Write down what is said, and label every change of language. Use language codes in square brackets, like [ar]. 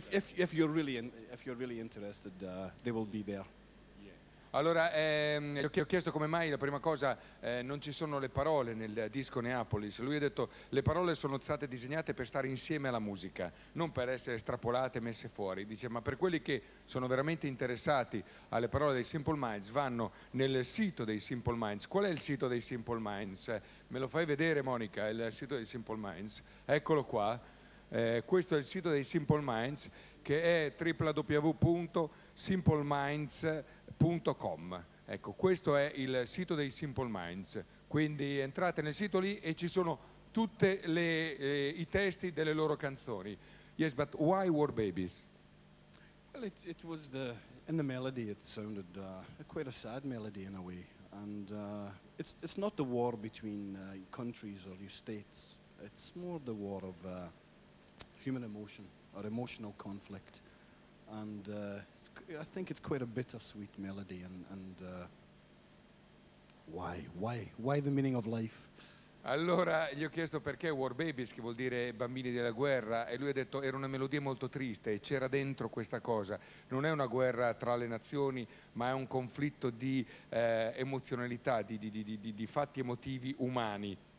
[en] if you're really interested, they will be there. Yeah. [it] Allora, ho chiesto come mai la prima cosa non ci sono le parole nel disco Neapolis. Lui ha detto le parole sono state disegnate per stare insieme alla musica, non per essere estrapolate e messe fuori. Dice, ma per quelli che sono veramente interessati alle parole dei Simple Minds, vanno nel sito dei Simple Minds. Qual è il sito dei Simple Minds? Me lo fai vedere, Monica, il sito dei Simple Minds? Eccolo qua. Questo è il sito dei Simple Minds, che è www.simpleminds.com. Ecco, questo è il sito dei Simple Minds. Quindi entrate nel sito lì e ci sono tutte i testi delle loro canzoni. [en] Yes, but why War Babies? Well, it was in the melody it sounded quite a sad melody in a way, and it's not the war between countries or states. It's more the war of human emotion or emotional conflict. and I think it's quite a bittersweet melody. And why the meaning of life? [it] Allora gli ho chiesto perché War Babies, che vuol dire bambini della guerra, e lui ha detto era una melodia molto triste e c'era dentro questa cosa. Non è una guerra tra le nazioni, ma è un conflitto di emozionalità, di fatti emotivi umani.